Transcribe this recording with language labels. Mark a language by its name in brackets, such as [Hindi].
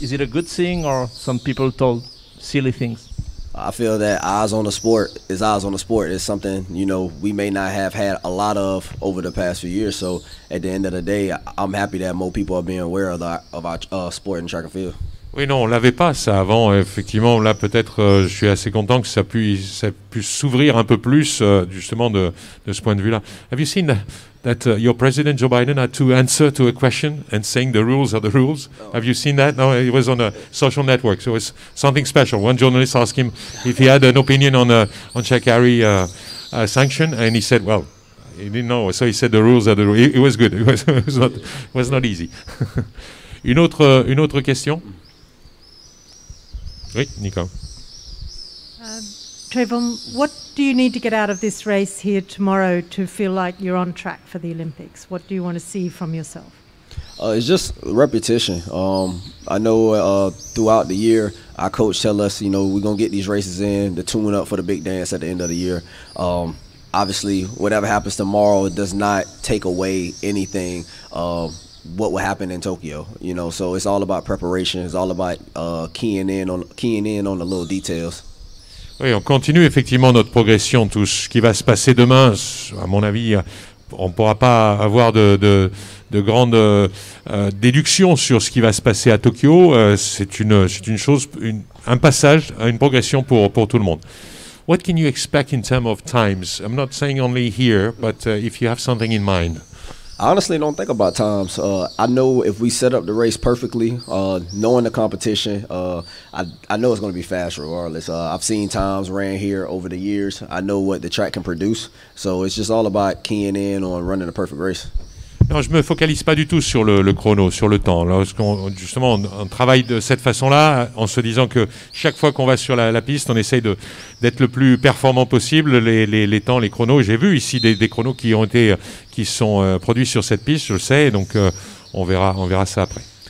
[English] Is it a good thing, or some people told silly things? I feel that eyes on the sport is eyes on the sport. It's something, you know, we may not have had a lot of over the past few years. So at the end of the day, I'm happy that more people are being aware of our sport in track and field. [French] Oui, non, on l'avait pas ça avant. Effectivement, là, peut-être, je suis assez content que ça puisse s'ouvrir un peu plus, justement, de ce point de vue-là. [English] Have you seen that your president Joe Biden had to answer to a question and saying the rules are the rules? No. Have you seen that? No, it was on a social network, so it was something special. One journalist asked him if he had an opinion on Shakari sanction, and he said, well, he didn't know. So he said the rules are the rules. It was good. It was not easy. [French] une autre question. Oui, Nico. [English] Trayvon, what do you need to get out of this race here tomorrow to feel like you're on track for the Olympics? What do you want to see from yourself? It's just repetition. I know throughout the year, our coach tell us, you know, we're going to get these races in, the tune up for the big dance at the end of the year. Obviously, whatever happens tomorrow does not take away anything what will happen in Tokyo, you know, so it's all about preparation. It's all about keying in on the little details. [French] Oui, on continue effectivement notre progression. Tout ce qui va se passer demain, à mon avis, on ne pourra pas avoir de grandes déductions sur ce qui va se passer à Tokyo. C'est un passage, une progression pour tout le monde. [English] What can you expect in terms of times? I'm not saying only here, but if you have something in mind. I honestly don't think about times. I know if we set up the race perfectly, knowing the competition, I know it's going to be fast regardless. I've seen times ran here over the years. I know what the track can produce. So it's just all about keying in on running a perfect race. [French] Non, je me focalise pas du tout sur le chrono, sur le temps. Lorsqu'on, justement, on travaille de cette façon-là, en se disant que chaque fois qu'on va sur la piste, on essaye d'être le plus performant possible, les temps, les chronos. J'ai vu ici des chronos qui sont produits sur cette piste, je le sais, donc on verra ça après.